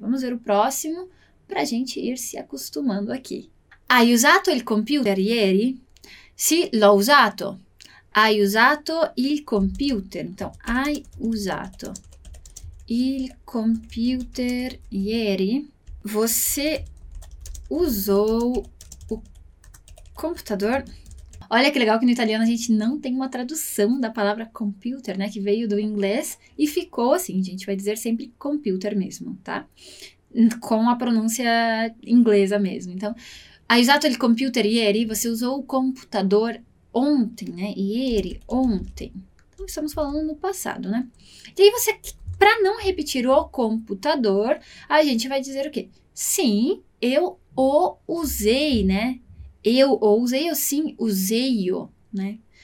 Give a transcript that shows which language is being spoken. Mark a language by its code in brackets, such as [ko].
[pt] Vamos ver o próximo para a gente ir se acostumando aqui. [it] Hai usato il computer ieri? Sì, l'ho usato. Hai usato il computer? Então, hai usato il computer ieri? [pt] Você usou o computador? Olha que legal que no italiano a gente não tem uma tradução da palavra computer, né? Que veio do inglês e ficou assim. A gente vai dizer sempre computer mesmo, tá? Com a pronúncia inglesa mesmo. [it] Então, hai usato il computer ieri? [pt] Você usou o computador ontem, né? Ieri, ontem. Então, estamos falando no passado, né? E aí você, para não repetir o computador, a gente vai dizer o quê? Sim, eu o usei, né? Eu ou usei, ou sim, usei-o, né?